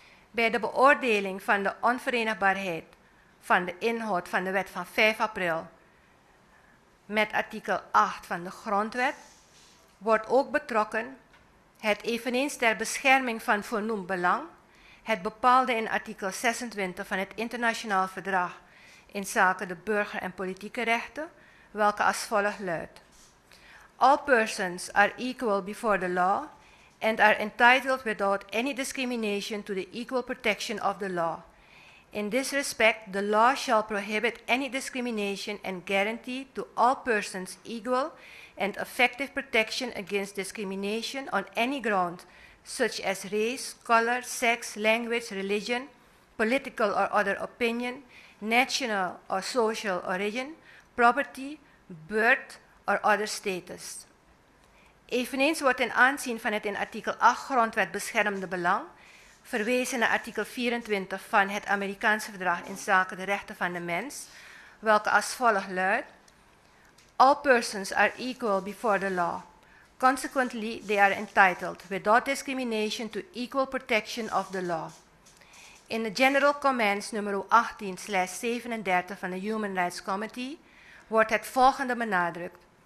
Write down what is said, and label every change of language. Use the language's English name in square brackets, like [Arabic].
[Dutch] Bij de beoordeling van de onverenigbaarheid van de inhoud van de wet van 5 april met artikel 8 van de grondwet wordt ook betrokken het eveneens ter bescherming van voornoemd belang, het bepaalde in artikel 26 van het internationaal verdrag inzake de burger- en politieke rechten, welke als volgt luidt. [English] All persons are equal before the law and are entitled without any discrimination to the equal protection of the law. In this respect, the law shall prohibit any discrimination and guarantee to all persons equal and effective protection against discrimination on any ground, such as race, color, sex, language, religion, political or other opinion, national or social origin, property, birth or other status. [Dutch] Eveneens wordt in aanzien van het in artikel 8 grondwet beschermde belang verwezen naar artikel 24 van het Amerikaanse verdrag inzake de rechten van de mens, welke als volgt luidt: [English] All persons are equal before the law. Consequently, they are entitled, without discrimination, to equal protection of the law. [Dutch] In the General Comments nummer 18/37 van de Human Rights Committee wordt het volgende benadrukt.